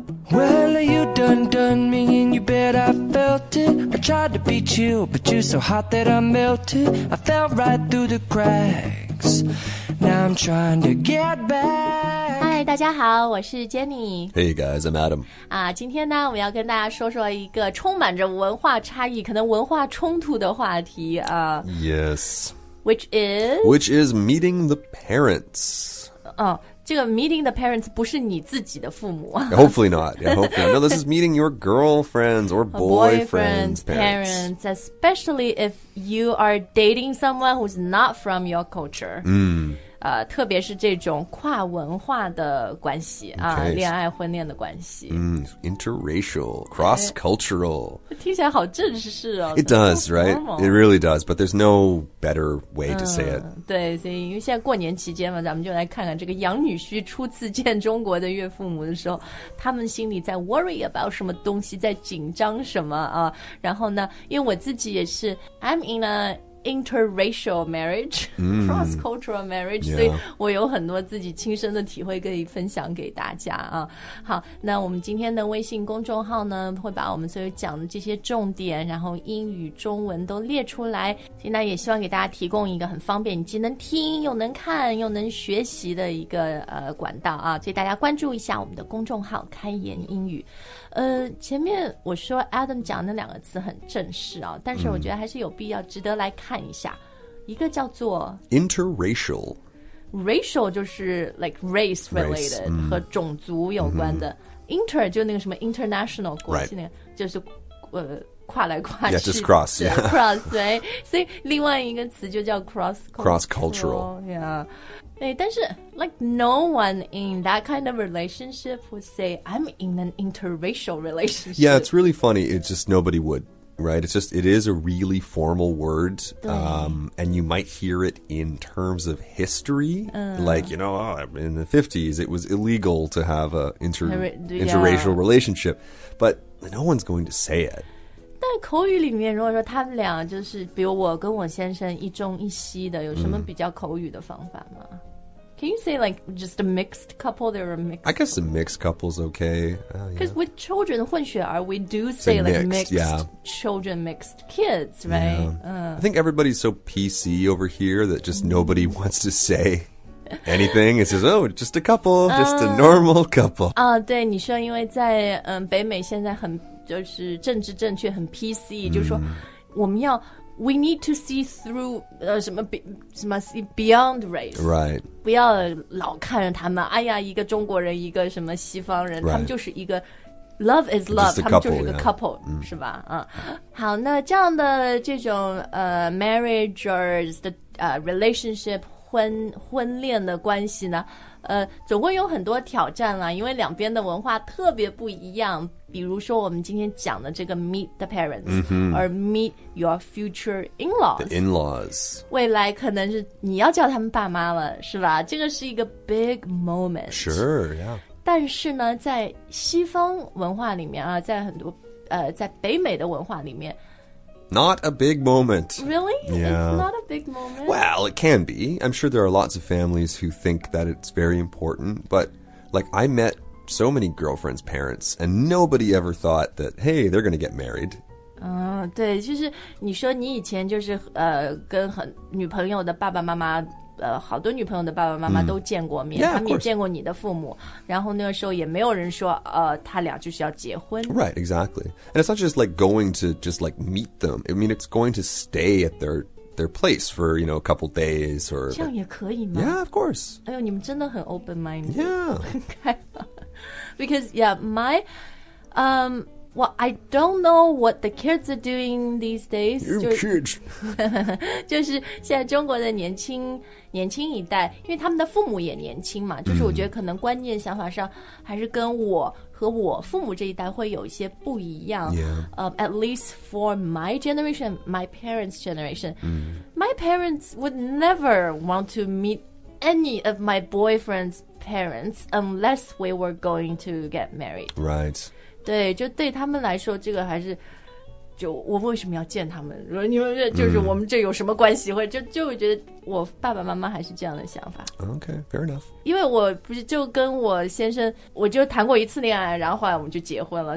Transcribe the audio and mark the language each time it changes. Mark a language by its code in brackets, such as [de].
[en] Well, you done me, and you bet I felt it. I tried to beat you, but you're so hot that I melted. I fell right through the cracks. Now I'm trying to get back. [zh] Hi, 大家好，我是 Jenny. [en] Hey guys, I'm Adam. [zh] 啊，今天呢，我们要跟大家说说一个充满着文化差异，可能文化冲突的话题啊。 [en] Yes. Which is meeting the parents. [zh] 哦，这个 [en] meeting the parents [zh] 不是你自己的父母。 [en] Hopefully not. Yeah, hopefully not. No, this is meeting your girlfriends or boyfriend's parents, especially if you are dating someone who's not from your culture. Hmm. [zh] 特别是这种跨文化的关系、 [en] okay. [zh] 恋爱婚恋的关系、 [en] Interracial, cross-cultural、 [zh] 哎、听起来好正式哦 [en] It does, right? It really does, but there's no better way to say it、 [zh] 对，所以因为现在过年期间嘛，咱们就来看看这个养女婿初次见中国的岳父母的时候他们心里在 [en] worry about [zh] 什么东西在紧张什么、然后呢因为我自己也是 [en] I'm in ainterracial marriage,、cross-cultural marriage,、 yeah. [zh] 所以我有很多自己亲身的体会可以分享给大家啊。好，那我们今天的微信公众号呢，会把我们所有讲的这些重点，然后英语、中文都列出来。现在也希望给大家提供一个很方便，你既能听又能看又能学习的一个管道啊。所以大家关注一下我们的公众号"开言英语"。前面我说 Adam 讲的那两个词很正式啊，但是我觉得还是有必要值得来看一下，一个叫做 [en] interracial， racial [zh] 就是 [en] like race related race,、 [zh] 和种族有关的、inter 就那个什么 international 国际那个、 [en] right. [zh] 就是跨来跨去 [en] yeah, just cross yeah. [zh] cross 对，所以另外一个词就叫 [en] cross cultural yeah. [zh] 但是 [en] like no one in that kind of relationship would say I'm in an interracial relationship. Yeah, it's really funny. It's just nobody would, right? It's just, it is a really formal word. And you might hear it in terms of history. Like, you know, in the 50s, it was illegal to have an interracial relationship. But no one's going to say it. [zh] 在口语里面如果说他们俩就是比如我跟我先生一中一西的有什么比较口语的方法吗、 [en] Can you say like just a mixed couple? They're a mixed I guess a mixed couple's okay. Because、 with children, [zh] 混血儿 [en] we do say mixed, like mixed、 yeah. children, mixed kids, right? Yeah.、I think everybody's so PC over here that just nobody wants to say anything. It says, oh, just a couple, just a normal couple. [zh] 啊、对你说因为在、北美现在很就是政治正确很 PC、就是说我们要 [en] we need to see through [zh] 什么 [en] see beyond race right [zh] 不要老看着他们哎呀一个中国人一个什么西方人、 [en] right. [zh] 他们就是一个 [en] love is love couple, [zh] 他们就是个 couple、 [en] yeah. [zh] 是吧、好那这样的这种 [en] marriage or the, relationship [zh] 婚恋的关系呢总会有很多挑战啦因为两边的文化特别不一样比如说我们今天讲的这个 meet the parents、 [en] mm-hmm. or meet your future in-laws the in-laws [zh] 未来可能是你要叫他们爸妈了是吧这个是一个 [en] big moment sure yeah [zh] 但是呢在西方文化里面啊在很多在北美的文化里面 [en] Not a big moment. Really? Yeah. It's not a big moment? Well, it can be. I'm sure there are lots of families who think that it's very important. But, like, I met so many girlfriends' parents, and nobody ever thought that, hey, they're going to get married. [zh] 对,就是你说你以前就是跟很女朋友的爸爸妈妈好多女朋友的爸爸妈妈都见过面、 [en] yeah, [zh] 他们也见过你的父母然后那个时候也没有人说他俩就是要结婚 [en] Right, exactly And it's not just like going to just like meet them I mean it's going to stay at their place for you know a couple days or [zh] 这样也可以吗 [en] Yeah, of course [zh] 哎呦你们真的很 open-minded [en] Yeah Because yeah, my Well, I don't know what the kids are doing these days. You kids. [zh] 就是现在中国的年轻一代，因为他们的父母也年轻嘛，就是我觉得可能观念想法上还是跟我和我父母这一代会有一些不一样。 [en] Yeah. At least for my generation, my parents' generation, my parents would never want to meet any of my boyfriend's parents unless we were going to get married. Right. [zh] 对，就对他们来说，这个还是，就我为什么要见他们，你们就是我们这有什么关系、mm. 就觉得我爸爸妈妈还是这样的想法。 [en] OK, fair enough. [zh] 因为我不是就跟我先生我就谈过一次恋爱，然后后来我们就结婚了。